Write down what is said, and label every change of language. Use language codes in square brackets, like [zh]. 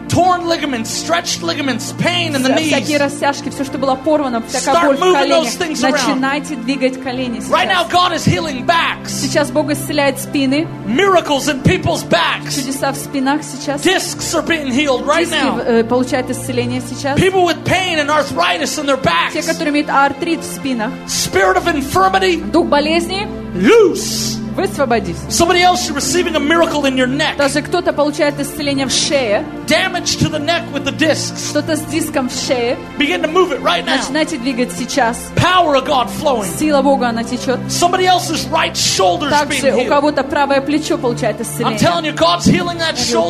[en] Torn ligaments, stretched ligaments, pain in the knees. [ru] Всякие растяжки, все, что было порвано, всякая боль в коленях. [en] Start moving those things around. [ru] Начинайте двигать колени. [en] Right now, God is healing backs. [ru] Сейчас Бог исцеляет спины. [en] Miracles in people's backs. [ru] Чудеса в спинах сейчас. [en] Discs are being healed right now. [ru] Диски получают исцеление сейчас. [en] People with pain and arthritis in their backs. [ru] Те, которые имеют артрит. [en] Spirit of infirmity, [ru] дух болезни, [en] loose. [ru] Высвободись. [en] Somebody else is receiving a miracle in your neck. [ru] Даже кто-то получает исцеление в шее. [en] Damage to the neck with the discs. [ru] Что-то с диском в шее. [en] Begin to move it right now. [ru] Начинайте двигать сейчас. [en] Power of God flowing. [ru] Сила Бога она течет. [en] Somebody else's right shoulder is being healed. [ru] Также у кого-то правое плечо получает исцеление. [en] I'm telling you, God's healing that shoulder.